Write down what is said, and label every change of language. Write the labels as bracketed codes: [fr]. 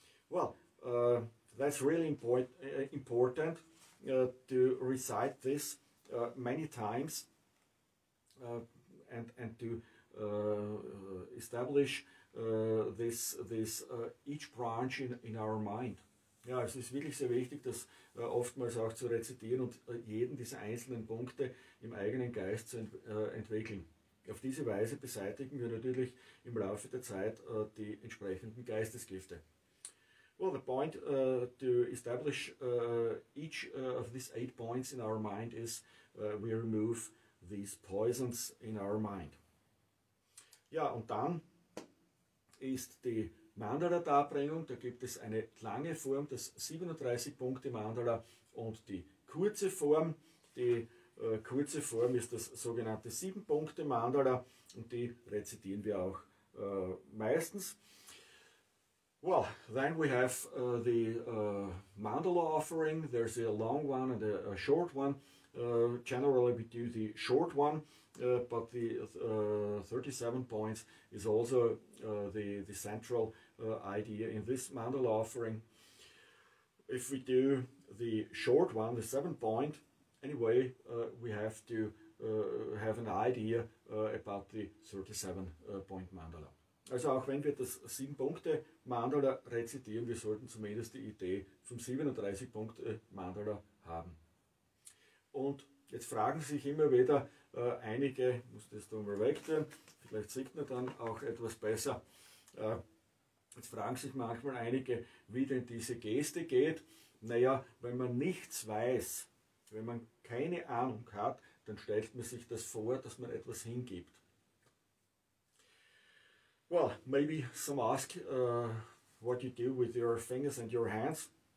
[en] Well, that's really important to recite this many times and to establish this each branch in our mind. [de] Ja, es ist wirklich sehr wichtig, das oftmals auch zu rezitieren und jeden dieser einzelnen Punkte im eigenen Geist zu entwickeln. Auf diese Weise beseitigen wir natürlich im Laufe der Zeit die entsprechenden Geistesgifte. [en] Well, the point to establish each of these eight points in our mind is we remove these poisons in our mind. [de] Ja, und dann ist die Mandala-Darbringung. Da gibt es eine lange Form, das 37-Punkte-Mandala, und die kurze Form, die kurze Form ist das sogenannte 7-Punkte-Mandala, und die rezitieren wir auch meistens. [en] Well, then we have the Mandala offering. There's a long one and a short one. Generally we do the short one, but the 37 points is also the central idea in this Mandala offering. If we do the short one, the 7-point, anyway, we have to have an idea about the 37-point mandala. [de] Also auch wenn wir das 7-Punkte-Mandala rezitieren, wir sollten zumindest die Idee vom 37-Punkte-Mandala haben. Und jetzt fragen sich immer wieder einige, ich muss das da mal wegtun, vielleicht sieht man dann auch etwas besser, jetzt fragen sich manchmal einige, wie denn diese Geste geht. Naja, wenn man nichts weiß, wenn man keine Ahnung hat, dann stellt man sich das vor, dass man etwas hingibt. [en] Well, maybe some ask what you do with your fingers and your hands.